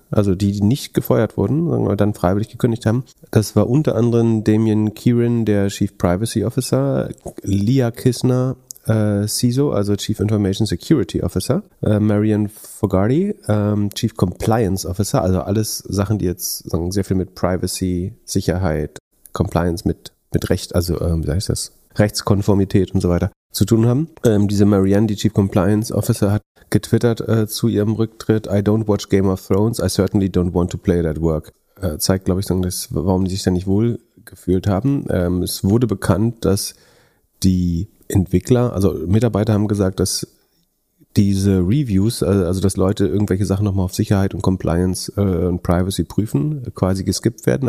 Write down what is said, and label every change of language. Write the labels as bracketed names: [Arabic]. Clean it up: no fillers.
[German] Also die, die nicht gefeuert wurden, sondern dann freiwillig gekündigt haben. Das war unter anderem Damien Kieran, der Chief Privacy Officer, Leah Kissner, CISO, also Chief Information Security Officer, Marion Fogarty, Chief Compliance Officer, also alles Sachen, die jetzt sagen, sehr viel mit Privacy, Sicherheit, Compliance mit Recht, also wie heißt das, Rechtskonformität und so weiter zu tun haben. Diese Marianne, die Chief Compliance Officer, hat getwittert zu ihrem Rücktritt: [English] I don't watch Game of Thrones, I certainly don't want to play it at work. [German] Zeigt, glaube ich, das, warum die sich da nicht wohl gefühlt haben. Es wurde bekannt, dass die Entwickler, also Mitarbeiter haben gesagt, dass diese Reviews, also dass Leute irgendwelche Sachen nochmal auf Sicherheit und Compliance und Privacy prüfen, quasi geskippt werden.